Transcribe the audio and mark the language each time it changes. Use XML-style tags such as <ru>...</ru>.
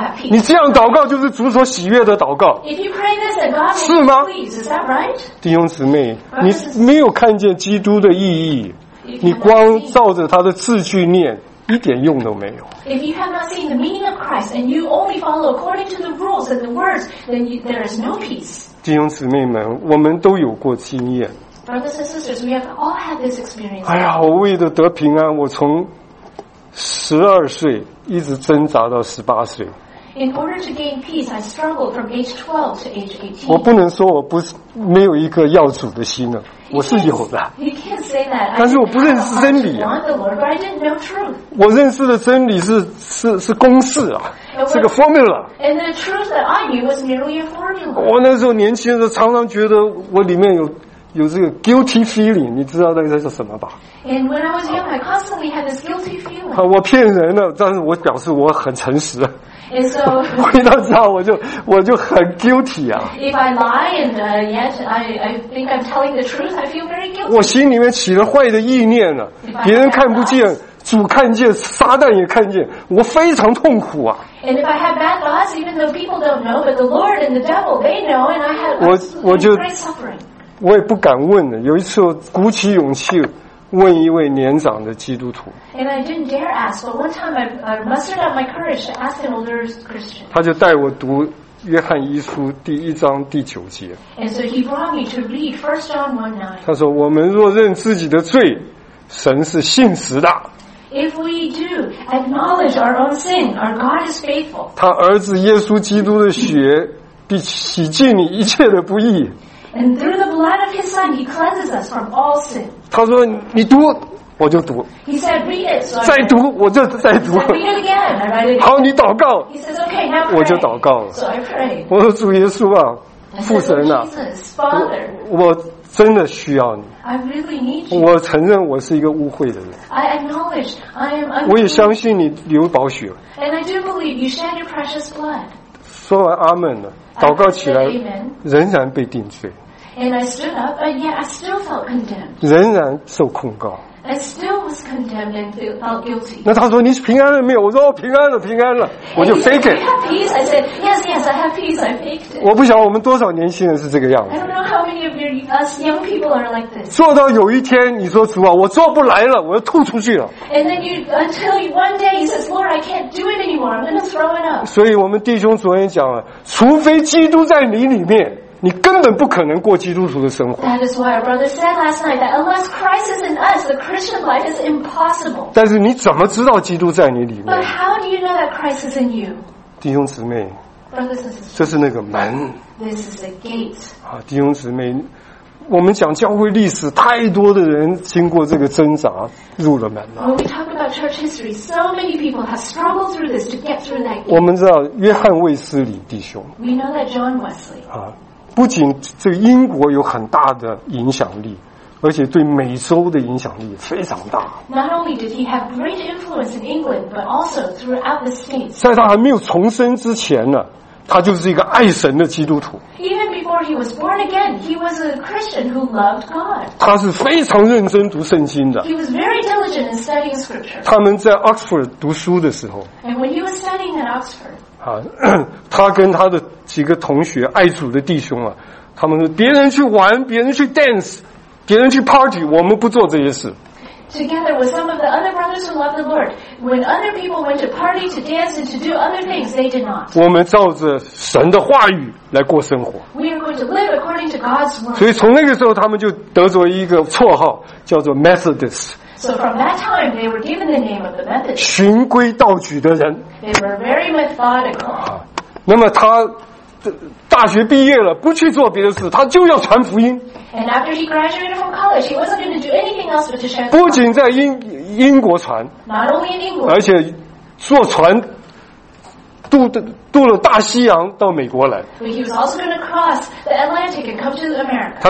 <zh>你这样祷告就是主所喜悦的祷告，是吗？弟兄姊妹，你没有看见基督的意义，你光照着他的字句念一点用都没有。</zh> <en>If you have not seen the meaning of Christ and you only follow according to the rules and the words, then there is no peace.</en> <zh>弟兄姊妹们，我们都有过经验。</zh> <en>Brothers and sisters, we have all had this experience.</en> <zh>哎呀，我为了得平安，我从12岁一直挣扎到18岁。</zh> <en>In order to gain peace, I struggled from age 12 to age 18.</en> <zh>我不能说我不是没有一个要主的心了，我是有的。</zh> <en>You can't say that.</en> <zh>但是我不认识真理啊。</zh> <en>I want the Lord, but I didn't know truth.</en> <zh>我认识的真理是公式啊，是个 formula.</zh> <en>And the truth that I knew was merely a formula.</en> <zh>我那时候年轻的时候常常觉得我里面有这个</zh> <en>guilty feeling,</en> <zh>你知道那个叫什么吧？</zh> <en>And when I was young, I constantly had this guilty feeling.</en> <zh>我骗人了，但是我表示我很诚实。</zh> <en>And so,</en> <zh>回到家我就很 guilty 啊。</zh> <en>If I lie and yet I think I'm telling the truth, I feel very guilty.</en> <zh>我心里面起了坏的意念了，别人看不见，主看见，撒旦也看见，我非常痛苦啊。</zh> <en>And if I have bad thoughts, even though people don't know, but the Lord and the devil, they know, and I have great suffering.</en> <zh>我也不敢问了，有一次我鼓起勇气问一位年长的基督徒。</zh> <en>And I didn't dare ask, but one time I mustered up my courage to ask an older Christian.</en> <zh>他就带我读约翰一书第一章第九节。</zh> <en>And so he brought me to read 1 John 1:9.</en> <zh>他说我们若认自己的罪，神是信实的。</zh> <en>If we do acknowledge our own sin, our God is faithful.</en> <zh>他儿子耶稣基督的血必洗净你一切的不义。</zh> <en>And through the blood of his son, he cleanses us from all sin.</en> <zh>他说你读我就读。</zh> <en>He said, read it.</en> <zh>再读我就再读。</zh> <en>He said, read it again. I read it again.</en> <zh>好，你祷告。</zh> <en>He says, okay, now pray.</en> <zh>我就祷告了。</zh> <en>So I prayed.</en> <zh>我说主耶稣啊，父神啊，</zh> <en>Jesus, Father,</en> <zh>我真的需要你。</zh> <en>I really need you.</en> <zh>我承认我是一个污秽的人。</zh> <en>I acknowledge I am unclean.</en> <zh>我也相信你流宝血。</zh> <en>And I do believe you shed your precious blood.</en> <zh>说完阿们了，祷告起来仍然被定罪。</zh> <en>And I stood up, but yet I still felt condemned.</en> <zh>仍然受控告。</zh> <en>I still was condemned and felt guilty.</en> <zh>那他说你平安了没有？我说我平安了，平安了，我就</zh> <en>fake it. You have peace? I said yes, yes, I have peace. I faked it.</en> <zh>我不晓得我们多少年轻人是这个样子。</zh> <en>I don't know how many of your us young people are like this.</en> <zh>做到有一天你说主啊，我做不来了，我要吐出去了。</zh> <en>And then you until you one day you says, Lord, I can't do it anymore. I'm going to throw it up.</en> <zh>所以我们弟兄昨天讲了，除非基督在你里面。你根本不可能过基督徒的生活。</zh> <en>That is why our brother said last night that unless Christ is in us, the Christian life is impossible.</en> <zh>但是你怎么知道基督在你里面？</zh> <en>But how do you know that Christ is in you?</en> <zh>弟兄姊妹，</zh> <en>brothers and sisters,</en> <zh>这是那个门。</zh> <en>This is the gate.</en> <zh>啊，弟兄姊妹，我们讲教会历史，太多的人经过这个挣扎入了门了。</zh> <en>When we talk about church history, so many people have struggled through this to get through that gate.</en> <zh>我们知道约翰卫斯理弟兄。</zh> <en>We know that John Wesley.</en> <zh>啊。不仅这个英国有很大的影响力，而且对美洲的影响力非常大。</zh> <en>Not only did he have great influence in England, but also throughout the states.</en> <zh>在他还没有重生之前呢，他就是一个爱神的基督徒。</zh> <en>Even before he was born again, he was a Christian who loved God.</en> <zh>他是非常认真读圣经的。</zh> <en>He was very diligent in studying scripture.</en> <zh>他们在 Oxford 读书的时候。</zh> <en>And when he was studying at Oxford.</en> <zh>他跟他的几个同学爱主的弟兄啊，他们说别人去玩，别人去 dance， 别人去 party， 我们不做这些事。</zh> <en>Together with some of the other brothers who love the Lord, when other people went to party, to dance, and to do other things, they did not.</en> <zh>我们照着神的话语来过生活。</zh> <en>We are going to live according to God's word.</en> <zh>所以从那个时候，他们就得着一个绰号，叫做 Methodist。</zh> <en>So from that time, they were given the name of the Methodist.</en> <zh>循规蹈矩的人。</zh> <en>They were very methodical.</en> <zh>那么他大学毕业了，不去做别的事，他就要传福音。</zh> <en>And after he graduated from college, he wasn't going to do anything else but to share.</en> <zh>不仅在英国传</zh> <en>，Not only in England,</en> <zh>而且坐船渡了大西洋到美国来。</zh> <en>But he was also going to cross the Atlantic and come to America.</en>